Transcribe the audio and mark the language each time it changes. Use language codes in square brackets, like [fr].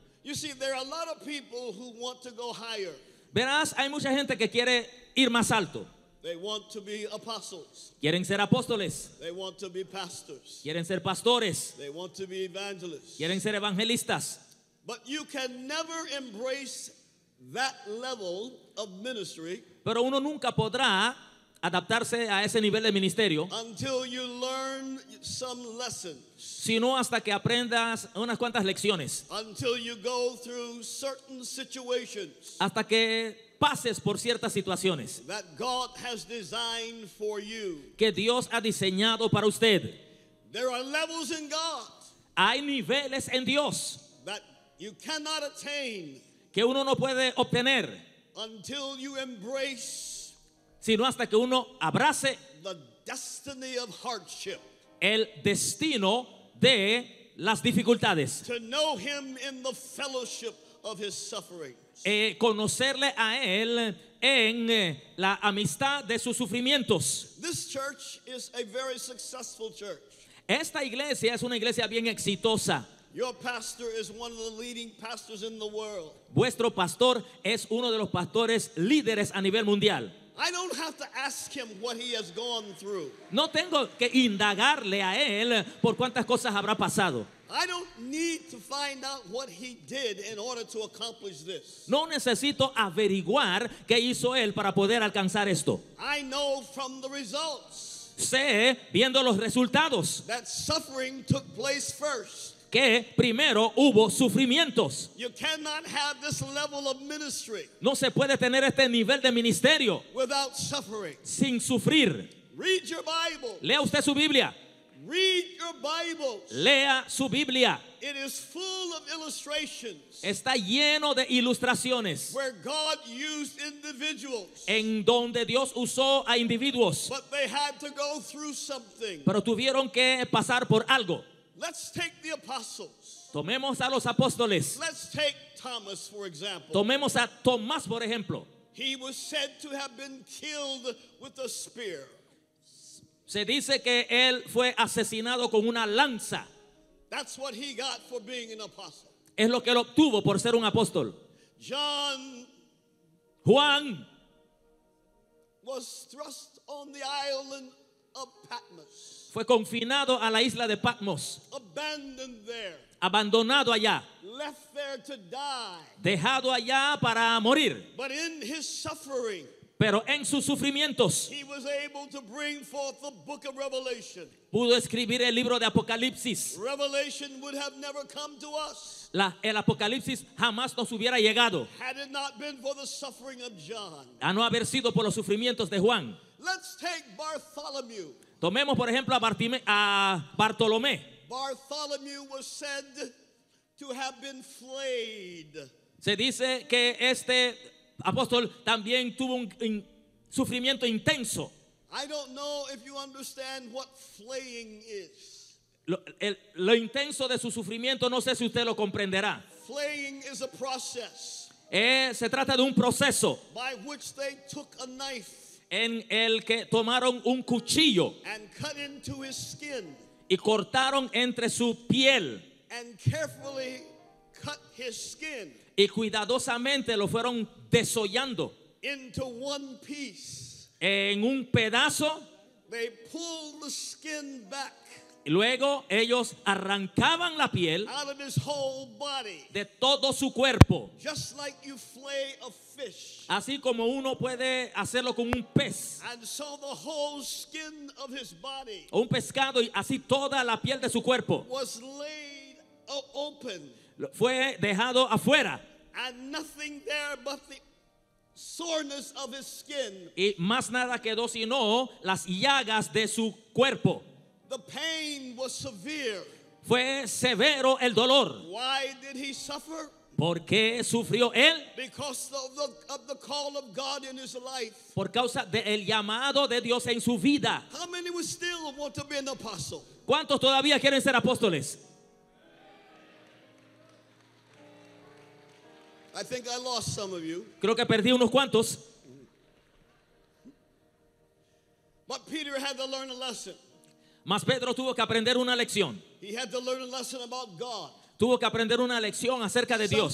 [en] You see, there are a lot of people who want to go higher. [es] Verás, hay mucha gente que quiere ir más alto. [en] They want to be apostles. [es] Quieren ser apóstoles. [en] They want to be pastors. [es] Quieren ser pastores. [en] They want to be evangelists. [es] Quieren ser evangelistas. [en] But you can never embrace that level of ministry. [es] Pero uno nunca podrá adaptarse a ese nivel de ministerio. [en] Until you learn some lessons. [es] Sino hasta que aprendas unas cuantas lecciones. [en] Until you go through certain situations. [es] Hasta que pases por ciertas situaciones. [en] That God has designed for you. [es] Que Dios ha diseñado para usted. [en] There are levels in God. [es] Hay niveles en Dios. [en] That you cannot attain. [es] Que uno no puede obtener. [en] Until you embrace, [es] sino hasta que uno abrace [en] the destiny of hardship, [es] el destino de las dificultades, [en] to know him in the fellowship of his sufferings, [es] conocerle a él en la amistad de sus sufrimientos. [en] This church is a very successful church. [es] Esta iglesia es una iglesia bien exitosa. [en] Your pastor is one of the leading pastors in the world. [es] Vuestro pastor es uno de los pastores líderes a nivel mundial. [en] I don't have to ask him what he has gone through. [es] No tengo que indagarle a él por cuántas cosas habrá pasado. [en] I don't need to find out what he did in order to accomplish this. [es] No necesito averiguar qué hizo él para poder alcanzar esto. [en] I know from the results. [es] Sé, viendo los resultados, [en] that suffering took place first. [es] que primero hubo sufrimientos. [en] You cannot have this level of ministry. [es] No se puede tener este nivel de ministerio [en] without suffering. [es] Sin sufrir. [en] Read your Bible. [es] Lea usted su Biblia. [en] Read your Bibles. [es] Lea su Biblia. [en] It is full of illustrations. [es] Está lleno de ilustraciones. [en] Where God used individuals. [es] En donde Dios usó a individuos. [en] But they had to go through something. [es] Pero tuvieron que pasar por algo. [en] Let's take the apostles. [es] Tomemos a los apóstoles. [en] Let's take Thomas for example. [es] Tomemos a Tomás por ejemplo. [en] He was said to have been killed with a spear. [es] Se dice que él fue asesinado con una lanza. [en] That's what he got for being an apostle. [es] Es lo que él obtuvo por ser un apóstol. [en] John, [es] Juan, [en] was thrust on the island of Patmos. [es] Fue confinado a la isla de Patmos. [en] Abandoned there. [es] Abandonado allá. [en] Left there to die. [es] Dejado allá para morir. [en] But in his suffering. [es] Pero en sus sufrimientos [en] he was able to bring forth the book of Revelation. [es] Pudo escribir el libro de Apocalipsis. [en] Revelation would have never come to us. [es] El Apocalipsis jamás nos hubiera llegado. [en] Had it not been for the suffering of John. [es] A no haber sido por los sufrimientos de Juan. [en] Let's take Bartholomew. [es] Tomemos por ejemplo a Bartolomé. [en] Bartholomew was said to have been flayed. [es] Se dice que este apóstol también tuvo un sufrimiento intenso. [en] I don't know if you understand what flaying is. [es] Lo intenso de su sufrimiento, no sé si usted lo comprenderá. [en] Flaying is a process. [es] Se trata de un proceso. [en] By which they took a knife. [es] En el que tomaron un cuchillo. [en] And cut into his skin. [es] Y cortaron entre su piel. [en] And carefully cut his skin. [es] Y cuidadosamente lo fueron desollando. [en] Into one piece. [es] En un pedazo. [en] They pulled the skin back. [es] Y luego ellos arrancaban la piel. [en] Out of his whole body. [es] De todo su cuerpo. [en] Just like you flay a fish. [es] Así como uno puede hacerlo con un pez. [en] And so the whole skin of his body. [es] O un pescado, y así toda la piel de su cuerpo. [en] Was laid open. [es] Fue dejado afuera. [en] And nothing there but the soreness of his skin. [es] Y más nada quedó sino las llagas de su cuerpo. [en] The pain was severe. [es] Fue severo el dolor. [en] Why did he suffer? [es] ¿Por qué sufrió él? [en] Because of the call of God in his life. [es] Por causa del llamado de Dios en su vida. [en] How many would still want to be an apostle? [es] ¿Cuántos todavía quieren ser apóstoles? [en] I think I lost some of you. [es] Creo que perdí unos cuantos. [en] But Peter had to learn a lesson. [es] Mas Pedro tuvo que aprender una lección. [en] He had to learn a lesson about God. [es] Tuvo que aprender una lección acerca de Dios.